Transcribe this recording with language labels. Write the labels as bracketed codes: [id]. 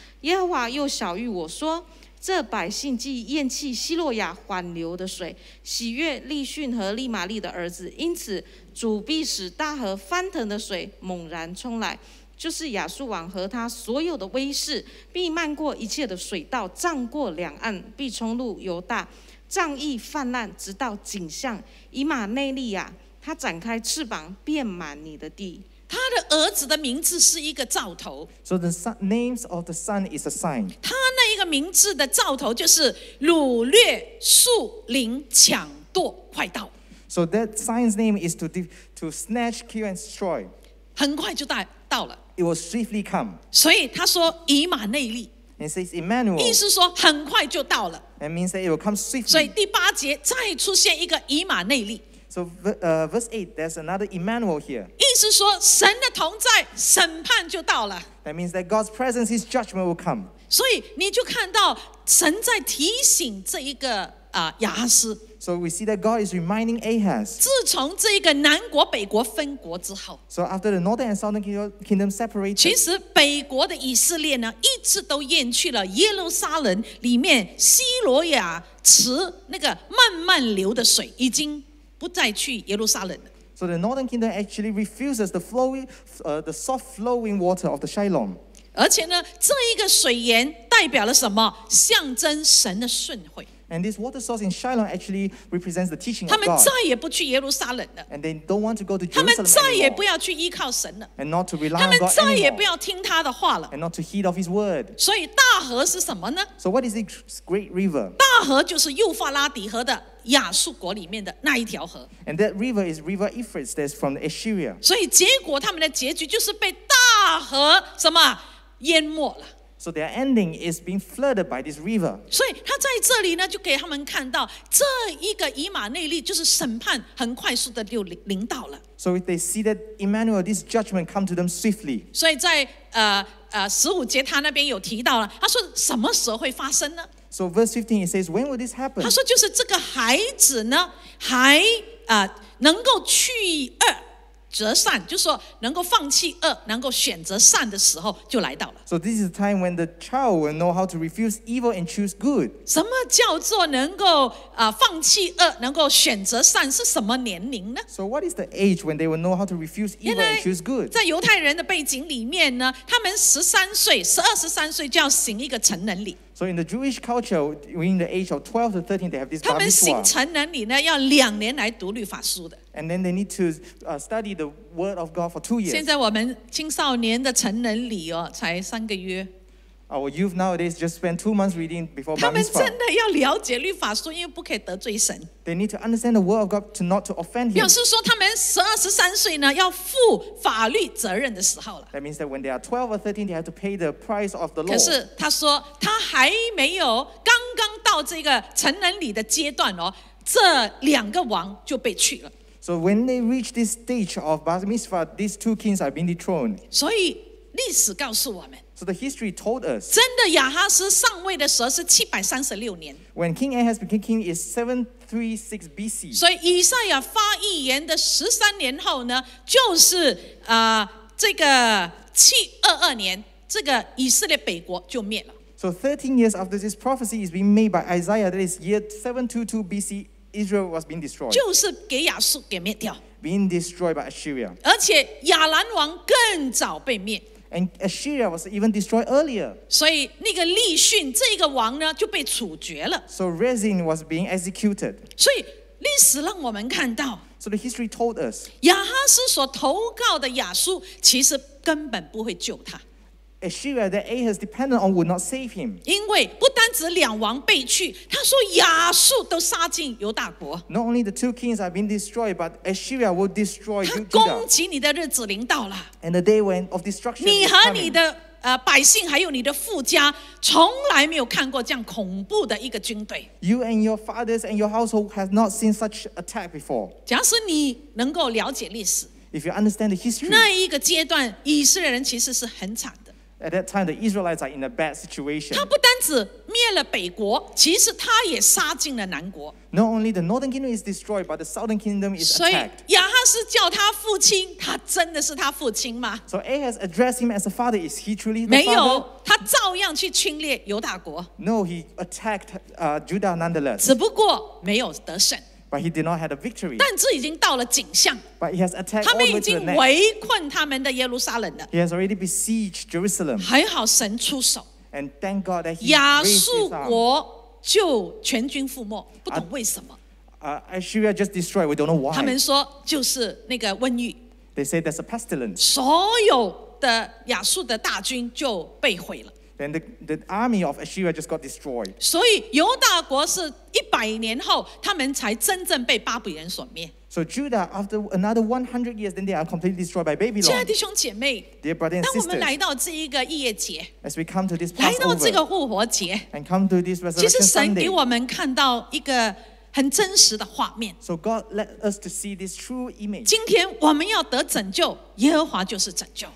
[zh] 耶和华又晓谕我说，这百姓既厌弃希洛亚缓流的水，喜悦利逊和利玛利的儿子，因此主必使大河翻腾的水猛然冲来，就是亚述王和他所有的威势，必漫过一切的水道，涨过两岸，必冲入犹大，仗义泛滥，直到景象以马内利亚，他展开翅膀，遍满你的地。他的儿子的名字是一个兆头。 [en] So the names of the son is a sign. [zh] 他那一个名字的兆头就是掳掠、树林、抢夺、坏道。 [en] So that sign's name is to snatch, kill, and destroy. [zh] 很快就到了。 [en] It will swiftly come. [zh] 所以他说以马内利。 [en] It says Emmanuel. [zh] 意思说很快就到了。 [en] It means that it will come swiftly. [zh] 所以第八节再出现一个以马内利。 [en] So verse 8, there's another Emmanuel here. [zh] 意思说神的同在，审判就到了。 [en] That means that God's presence, His judgment will come. [zh] 所以你就看到神在提醒这一个亚哈斯。 [en] So we see that God is reminding Ahaz. [zh] 自从这一个南国北国分国之后。 [en] So after the northern and southern kingdom separated. [zh] 其实北国的以色列呢，一直都厌去了耶路撒冷里面希罗亚池那个慢慢流的水，已经不再去耶路撒冷了。 [en] So the northern kingdom actually refuses the soft flowing water of the Shilom. [zh] 而且呢，这一个水源代表了什么？象征神的顺会。 [en] And this water source in Shilom actually represents the teaching of God. [zh] 他们再也不去耶路撒冷了。 [en] And they don't want to go to Jerusalem anymore. [zh] 他们再也不要去依靠神了。 [en] And not to rely on God anymore. [zh] 他们再也不要听他的话了。 [en] And not to heed of His word. [zh] 所以大河是什么呢？ [en] So what is this great river? [zh] 大河就是幼发拉底河的亚述国里面的那一条河。 [en] And that river is River Euphrates, that's from Assyria. [zh] 所以结果他们的结局就是被大河什么淹没了。 [en] So their ending is being flooded by this river. [zh] 所以他在这里呢，就给他们看到这一个以马内利，就是审判很快速的就临到了。 [en] So if they see that Emmanuel, this judgment come to them swiftly. [zh] 所以在15节他那边有提到了，他说什么时候会发生呢？ [en] So verse 15 it says, when will this happen? [zh] 他说就是这个孩子呢，还能够去恶。择善，就是说能够放弃恶，能够选择善的时候就来到了。 [en] So this is the time when the child will know how to refuse evil and choose good. [zh] 什么叫做能够放弃恶，能够选择善，是什么年龄呢？ [en] So what is the age when they will know how to refuse evil and choose good? [zh] 在犹太人的背景里面呢，他们十二十三岁就要行一个成人礼。 [en] So in the Jewish culture, in the age of 12 to 13, they have this [zh] bar mitzvah. 他们行成人礼呢，要两年来读律法书的。 [en] And then they need to study the word of God for 2 years. [zh] 现在我们青少年的成人礼哦，才三个月。 [en] Our youth nowadays just spend 2 months reading before bar mitzvah. [zh] 他们真的要了解律法书，因为不可以得罪神。 [en] They need to understand the word of God to not to offend Him. [zh] 表示说他们十二十三岁呢，要负法律责任的时候了。 [en] That means that when they are 12 or 13, they have to pay the price of the law. [zh] 可是他说他还没有刚刚到这个成人礼的阶段哦，这两个王就被去了。 [en] So when they reach this stage of Bar Mitzvah, these two kings are being dethroned. [zh] 所以历史告诉我们。 [en] So the history told us. [zh] 真的亚哈斯上位的时候是736年。 [en] When King Ahaz became king is 736 BC. [zh] 所以以赛亚发预言的13年后呢，就是这个722年，这个以色列北国就灭了。 [en] So 13 years after this prophecy is being made by Isaiah, that is year 722 BC. Israel was being destroyed. [zh] 就是给亚述给灭掉。 [en] Being destroyed by Assyria. [zh] 而且亚兰王更早被灭。 [en] And Assyria was even destroyed earlier. [zh] 所以那个利逊这个王呢就被处决了。 [en] So Rezin was being executed. [zh] 所以历史让我们看到。 [en] So the history told us. [zh] 亚哈斯所投靠的亚述其实根本不会救他。 [en] Assyria that Ahaz depended on would not save him. [zh] 因为不单只两王被去，他说亚述都杀进犹大国。 [en] Not only the two kings are being destroyed, but Assyria will destroy Judah. [zh] 他攻击你的日子临到了。 [en] And the day when of destruction is coming. [zh] 你和你的百姓还有你的父家，从来没有看过这样恐怖的一个军队。 [en] You and your fathers and your household have not seen such attack before. [zh] 假使你能够了解历史。 [en] If you understand the history, [zh] 那一个阶段，以色列人其实是很惨的。 [en] At that time, the Israelites are in a bad situation. [zh] 他不单只灭了北国，其实他也杀进了南国。 [en] Not only the northern kingdom is destroyed, but the southern kingdom is attacked. [zh] 所以亚哈斯叫他父亲，他真的是他父亲吗 [en] ？So Ahaz addressed him as a father. Is he truly the father? [zh] 没有，他照样去侵略犹大国。 [en] No, he attacked Judah nonetheless. [zh] 只不过没有得胜。 [en] But he did not have a victory. [zh] 但这已经到了景象。 [en] But he has attacked all the way to the neck. [zh] 他们已经围困他们的耶路撒冷了。 [en] He has already besieged Jerusalem. [zh] 还好神出手。 [en] And thank God that he raised his arm. [zh] 亚述国就全军覆没，不懂为什么。 [en] Assyria just destroyed. We don't know why. [zh] 他们说就是那个瘟疫。 [en] They say there's a pestilence. [zh] 所有的亚述的大军就被毁了。 [en] And the army of Assyria just got destroyed. [zh] 所以犹大国是一百年后，他们才真正被巴比伦所灭。 [en] So Judah, after another 100 years, then they are completely destroyed by Babylon. [zh] 亲爱的弟兄姐妹 [en] ，Dear brothers and sisters, [zh] 当我们来到这一个逾越节 [en] ，As we come to this Passover, [zh] 来到这个复活节 [en] ，And come to this Resurrection Sunday, [zh] 其实神给我们看到一个很真实的画面。 [en] So God let us to see this true image. [zh] 今天我们要得拯救，耶和华就是拯救。